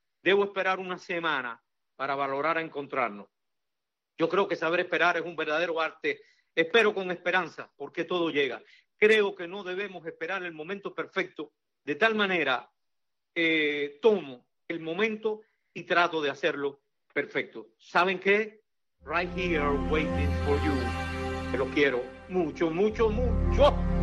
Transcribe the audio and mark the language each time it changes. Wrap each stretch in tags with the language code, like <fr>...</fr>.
<es>Debo esperar una semana para valorar a encontrarnos. Yo creo que saber esperar es un verdadero arte. Espero con esperanza, porque todo llega. Creo que no debemos esperar el momento perfecto. De tal manera, tomo el momento y trato de hacerlo perfecto. ¿Saben qué?</es> <en>Right here waiting for you.</en> <es>Te lo quiero mucho, mucho, mucho.</es>